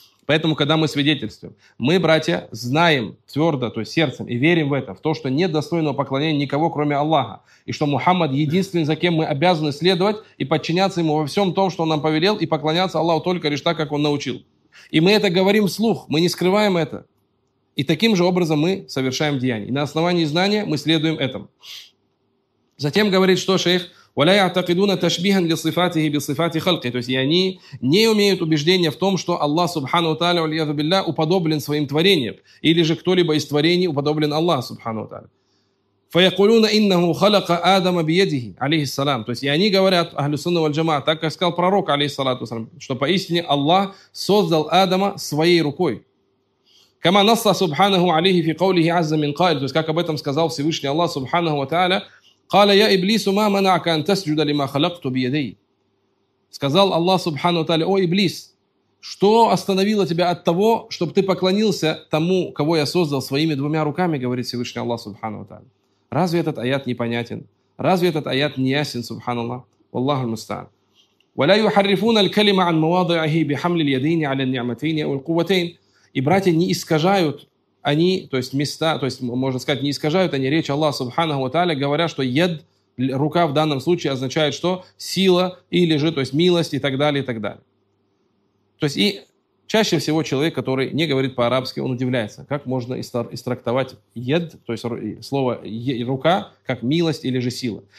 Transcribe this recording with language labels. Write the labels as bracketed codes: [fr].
[ru] Поэтому, когда мы свидетельствуем, мы, братья, знаем твердо, то есть сердцем, и верим в это, в то, что нет достойного поклонения никого, кроме Аллаха, и что Мухаммад единственный, за кем мы обязаны следовать и подчиняться ему во всем том, что он нам повелел, и поклоняться Аллаху только лишь так, как он научил. И мы это говорим вслух, мы не скрываем это. И таким же образом мы совершаем деяния. И на основании знания мы следуем этому. Затем говорит, что шейх, [ar] وَلَا يَعْتَقِدُونَ تَشْبِيهًا لِصِفَاتِهِ بِصِفَاتِ خَلْقِهِ. [ru] То есть и они не имеют убеждения в том, что Аллах Субхану Тааля [ar] وَلْيَذُ بِاللَّهِ [ru] уподоблен своим творением. Или же кто-либо из творений уподоблен Аллах Субхану Тааля. [ar] فَيَقُلُونَ إِنَّهُ خَلَقَ آدَمَ بِيَدِهِ عَلَيْهِ السَّلَامِ. [ru] То есть и они говорят, Ахлю Сунна валь Джамаа, так как сказал пророк, алейхиссалату вассалям, что поистине Аллах создал Адама своей рукой. [ar] كَمَا نَصَّ سُبْحَانَهُ عَلَيْهِ فِي قَوْلِهِ عَزَّ مِنْ قَائِلٍ. [ru] То есть как об этом сказал Всевышний Аллах Субхану Тааля, [ar] قال يا إبليس ما منعك أن تسجد لما خلقت بيدي. [ru] Сказал Аллах Субхану Тааля, о Иблис, что остановило тебя от того, чтобы ты поклонился тому, кого я создал своими двумя руками, говорит Всевышний Аллах Субхану Тааля. Разве этот аят непонятен? Разве этот аят не ясен, Субхану Аллах? [ar] Валлаху аль-мустаан. ولا يحرفون الكلمة عن مواضعه بحمل اليدين على النعمتين أو القوتين. [ru] И братья не искажают они, то есть места, то есть можно сказать, не искажают они речь Аллаха Субханаху ва Тааля, говоря, что яд, рука в данном случае означает что? Сила или же, то есть милость и так далее, и так далее. То есть и Чаще всего человек, который не говорит по-арабски, он удивляется, как можно истрактовать «ед», то есть слово «рука», как «милость» или же «сила».